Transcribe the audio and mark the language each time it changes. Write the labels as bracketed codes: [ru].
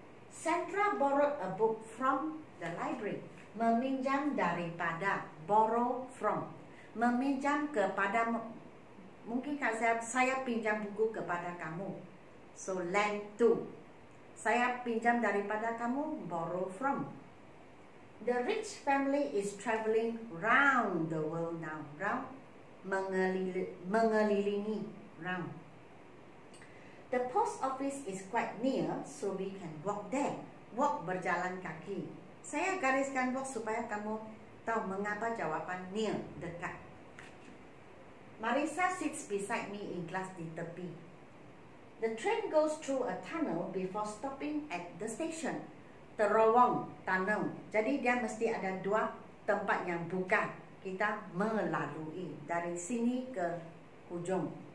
[en] Sandra borrowed a book from the library. [ms] Meminjam daripada, [en] borrow from, [ms] meminjam kepada mungkin saya pinjam buku kepada kamu. [en] So lend to. [ms] Saya pinjam daripada kamu, [en] borrow from. The rich family is traveling round the world now. Round, mengelilingi, round. The post office is quite near, so we can walk there. [ms] Walk, berjalan kaki. Saya gariskan walk supaya kamu tahu mengapa jawaban near, dekat. [en] Marisa sits beside me in class [ms] di tepi. [en] The train goes through a tunnel before stopping at the station. [ms] Terowong, tunnel. Jadi dia mesti ada dua tempat yang buka. Kita melalui dari sini ke ujung.